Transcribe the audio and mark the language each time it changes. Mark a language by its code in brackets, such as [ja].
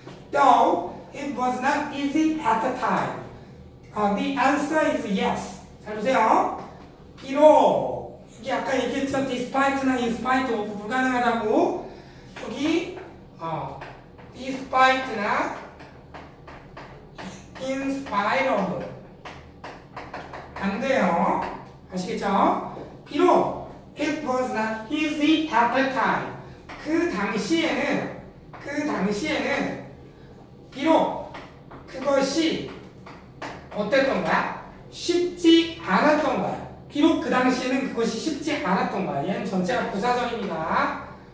[en] Though it was not easy at the time. The answer is yes. [ko] 잘 보세요. 비록 이게 아까 얘기했죠. Despite나 in spite of 불가능하다고. 여기 despite나 in spite of 안 돼요. 아시겠죠? [en] 비록 it was not easy at the time. [ko] 그 당시에는 비록 그것이 어땠던 거야? 쉽지 않았던 거야. 비록 그 당시에는 그것이 쉽지 않았던 거야. 얘는 전체가 부사적입니다.